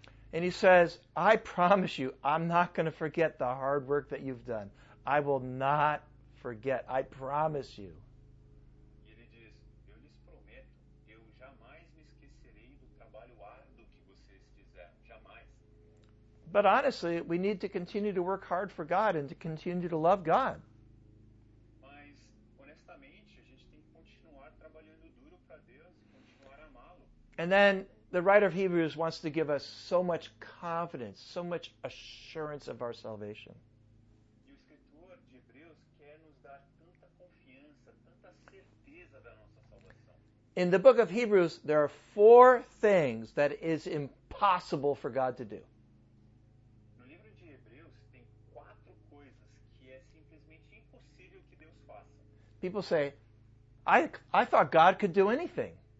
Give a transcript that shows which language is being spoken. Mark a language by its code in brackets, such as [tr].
[en] And he says, I promise you, I'm not going to forget the hard work that you've done. I will not forget. I promise you. [pt] Ele diz, eu lhes prometo, eu jamais me esquecerei do trabalho árduo que vocês fizeram. Jamais. [en] But honestly, we need to continue to work hard for God and to continue to love God. [pt] Mas, honestamente, a gente tem que continuar trabalhando duro para Deus e continuar amá-lo. [en] And then the writer of Hebrews wants to give us so much confidence, so much assurance of our salvation. [pt] E o escritor de Hebreus quer nos dar tanta confiança, tanta certeza da nossa salvação. [en] In the book of Hebrews, there are four things that is impossible for God to do. [pt] No livro de Hebreus, tem quatro coisas que é simplesmente impossível que Deus faça. [en] People say, I thought God could do anything.